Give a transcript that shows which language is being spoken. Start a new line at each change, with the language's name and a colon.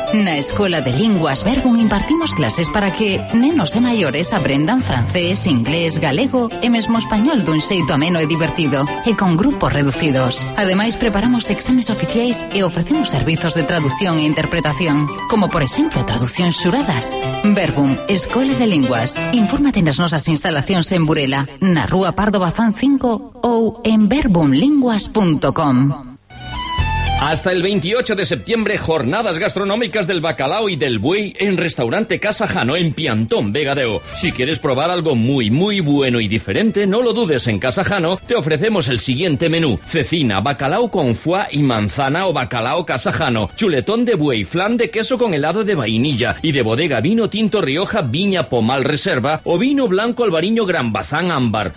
Galician: En la Escuela de Lenguas Verbum impartimos clases para que nenos e maiores aprendan francés, inglés, galego e mesmo español dun xeito ameno e divertido, e con grupos reducidos. Ademais, preparamos exames oficiais e ofrecemos servizos de traducción e interpretación, como por exemplo traducción xuradas. Verbum, Escuela de Lenguas. Infórmate nas nosas instalacións en Burela, na Rúa Pardo Bazán 5 ou en verbumlinguas.com.
Spanish: Hasta el 28 de septiembre, jornadas gastronómicas del bacalao y del buey en Restaurante Casa Jano, en Piantón, Vegadeo. Si quieres probar algo muy, muy bueno y diferente, no lo dudes, en Casa Jano te ofrecemos el siguiente menú: cecina, bacalao con foie y manzana o bacalao Casa Jano, chuletón de buey, flan de queso con helado de vainilla y de bodega vino tinto Rioja Viña Pomal Reserva o vino blanco Albariño Gran Bazán Ámbar.